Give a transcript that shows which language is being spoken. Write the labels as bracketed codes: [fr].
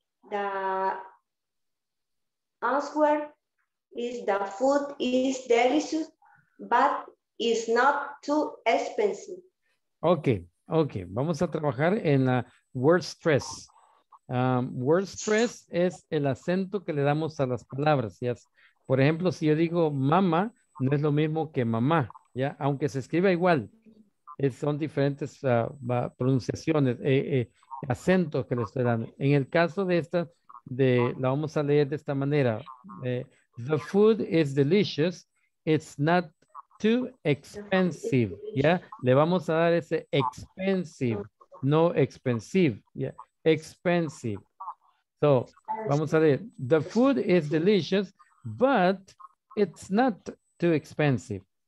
[en] The answer is the food is delicious, but it's not too expensive. [es] Okay. Okay, vamos a trabajar en la word stress. Word stress es el acento que le damos a las palabras, ¿sí? Por ejemplo, si yo digo mama, no es lo mismo que mamá, ¿ya? Aunque se escriba igual, son diferentes pronunciaciones, acentos que le estoy dando. En el caso de esta, la vamos a leer de esta manera. [en] The food is delicious, it's not too expensive, ¿ya? [es] Le vamos a dar ese expensive, no expensive, ¿ya? Expensive. [en] So, [es] vamos a leer. [en] The food is delicious, but it's not too expensive.